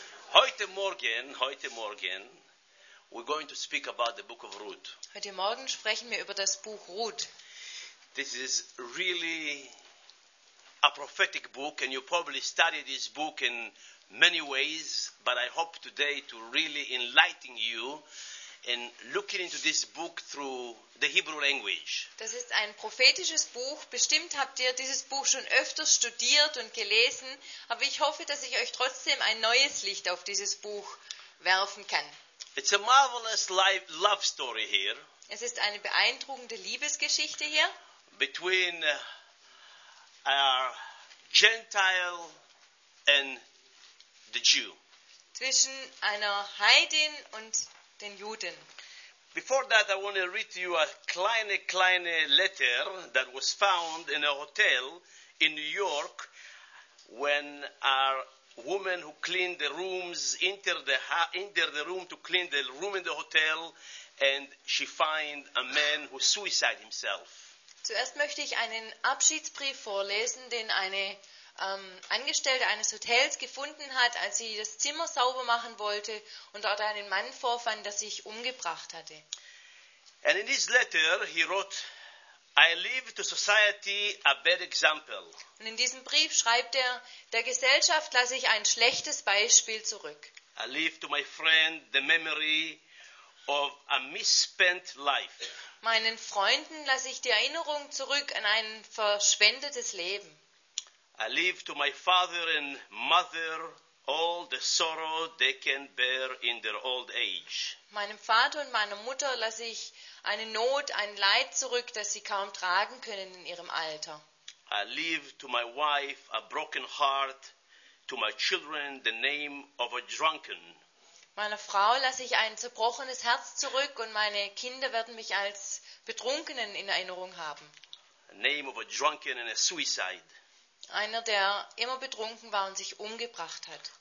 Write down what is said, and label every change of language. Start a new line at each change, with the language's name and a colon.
German: Heute Morgen,
English: we're going to speak about the book of Ruth.
German: Heute Morgen sprechen wir über das Buch Ruth.
English: This is really a prophetic book, and you probably study this book in many ways, but I hope today to really enlighten you in looking into this book through the Hebrew language.
German: Das ist ein prophetisches Buch. Bestimmt habt ihr dieses Buch schon öfters studiert und gelesen, aber ich hoffe, dass ich euch trotzdem ein neues Licht auf dieses Buch werfen kann.
English: It's a marvelous love story here.
German: Es ist eine beeindruckende Liebesgeschichte hier.
English: Between a Gentile and the Jew.
German: Zwischen einer Heidin und den Juden.
English: Before that, I want to read to you a kleine letter that was found in a hotel in New York when a woman who cleaned the rooms entered the room to clean the room in the hotel, and she find a man who suicide himself.
German: Zuerst möchte ich einen Abschiedsbrief vorlesen, den eine Angestellte eines Hotels gefunden hat, als sie das Zimmer sauber machen wollte und dort einen Mann vorfand, der sich umgebracht hatte.
English: And in his letter he wrote, I leave to society a bad example.
German: Und in diesem Brief schreibt er, der Gesellschaft lasse ich ein schlechtes Beispiel zurück.
English: I leave to my friend the memory of a misspent life.
German: Meinen Freunden lasse ich die Erinnerung zurück an ein verschwendetes Leben.
English: I leave to my father and mother all the sorrow they can bear in their old age.
German: Meinem Vater und meiner Mutter lasse ich eine Not, ein Leid zurück, das sie kaum tragen können in ihrem Alter.
English: I leave to my wife a broken heart to my children the name of a drunken.
German: Meiner Frau lasse ich ein zerbrochenes Herz zurück und meine Kinder werden mich als Betrunkenen in Erinnerung haben.
English: A name of a drunken and a suicide.
German: Einer, der immer betrunken war und sich umgebracht hat.